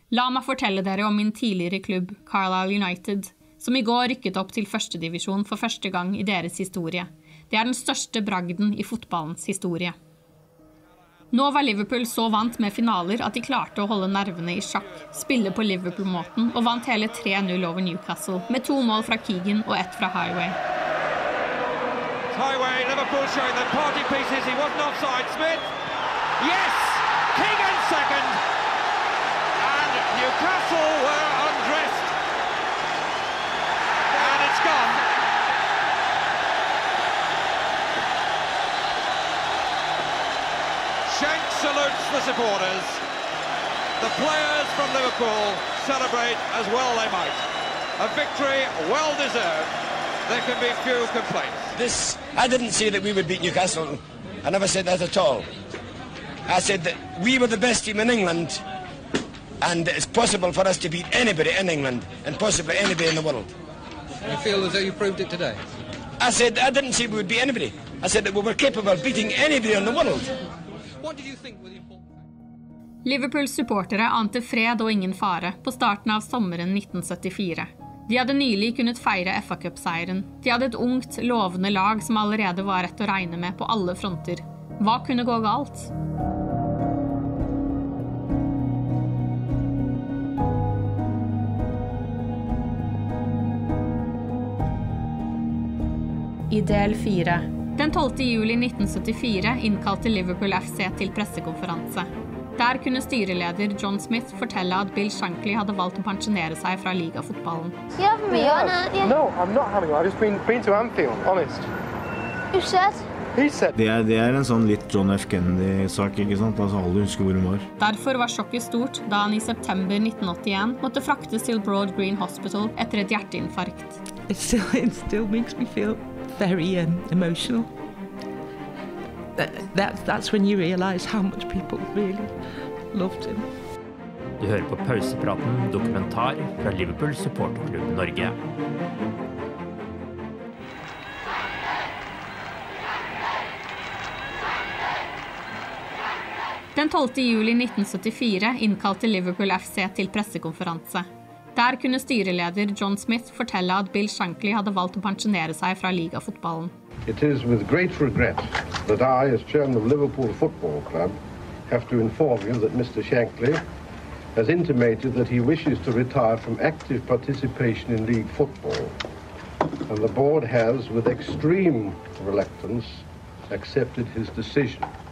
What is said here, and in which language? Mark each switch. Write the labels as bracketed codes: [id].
[no] La meg fortelle dere om min tidligere klubb, Carlisle United, som i går rykket opp til første divisjon for første gang i deres historie. Det er den største bragden i fotballens historie. Nå var Liverpool så vant med finaler at de klarte å holde nervene i sjakk, spille på Liverpool-måten og vant hele 3-0 over Newcastle, med to mål fra Keegan og ett fra Highway. [en] Highway, Liverpool showing the party pieces. He wasn't offside, Smith. Yes! Keegan second! And Newcastle were undressed. And it's gone. Shank salutes the supporters. The players from Liverpool celebrate as well they might. A victory well deserved. There can be few complaints. This, I didn't say that we would beat Newcastle. I never said that at all. I said that we were the best team in England, and it's possible for us to beat anybody in England and possibly anybody in the world. I feel as though you proved it today. I said I didn't say we would beat anybody. I said that we were capable of beating anybody in the world. [no] Liverpools supportere ante fred og ingen fare på starten av sommeren 1974. De hadde nylig kunnet feire FA-cup-seieren. De hadde et ungt, lovende lag som allerede var rett å regne med på alle fronter. Hva kunne gå galt? I del 4. Den 12. juli 1974 innkalte Liverpool FC til pressekonferanse. Der kunne styreleder John Smith fortelle at Bill Shankly hadde valgt å pensjonere seg fra ligafotballen. [en] You haven't been on, have you? No, I'm not having one. I've just been to Anfield, honest. Who said? He said. [no] Det er en sånn litt John F. Kennedy-sak, ikke sant? Altså, alle husker hvor hun var. Derfor var sjokket stort da han i september 1981 måtte fraktes til Broad Green Hospital etter et hjerteinfarkt. [en] It still makes me feel very emotional. That's when you realize how much people really loved him. [no] Du hører på Pausepraten, dokumentar fra Liverpool Supporterklubb Norge. Den 12. juli 1974 innkalte Liverpool FC til pressekonferanse. Der kunne styreleder John Smith fortelle at Bill Shankly hadde valgt å pensjonere seg fra ligafotballen. [en] It is with great regret that I, as chairman of Liverpool Football Club, have to inform you that Mr. Shankly has intimated that he wishes to retire from active participation in league football. And the board has, with extreme reluctance, accepted his decision.